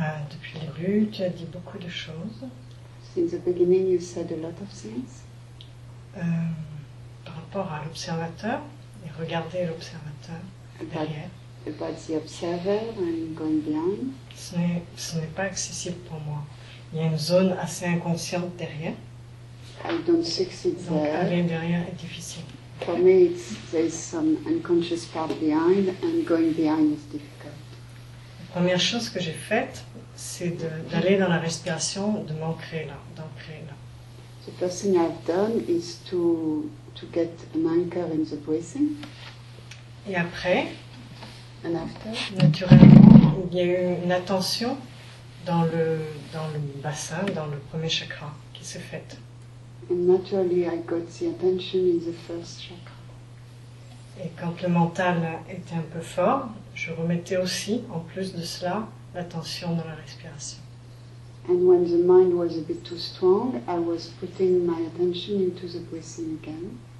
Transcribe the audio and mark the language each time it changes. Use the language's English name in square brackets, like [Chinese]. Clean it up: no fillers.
[French] Depuis le début, tu as dit beaucoup de choses. [English] Since the beginning, you said a lot of things. [French] Par rapport à l'observateur et regarder l'observateur derrière. [English] About the observer and going behind. [French] Ce n'est pas accessible pour moi. Il y a une zone assez inconsciente derrière. [English] I don't succeed [French] donc, [English] there. [French] Aller derrière est difficile. [English] For me, there's some unconscious part behind, and going behind is difficult. [French] La première chose que j'ai faite, c'est d'aller dans la respiration, de m'ancrer là, d'ancrer là. [English] The first thing I've done is to get an anchor in the breathing. [French] Et après, [English] and after, [French] naturellement, il y a eu une attention dans le bassin, dans le premier chakra, qui s'est faite. [English] And naturally, I got the attention in the first chakra. [French] Et quand le mental était un peu fort, je remettais aussi, en plus de cela, l'attention dans la respiration. [English] And when the mind was a bit too strong, I was putting my attention into the breathing again.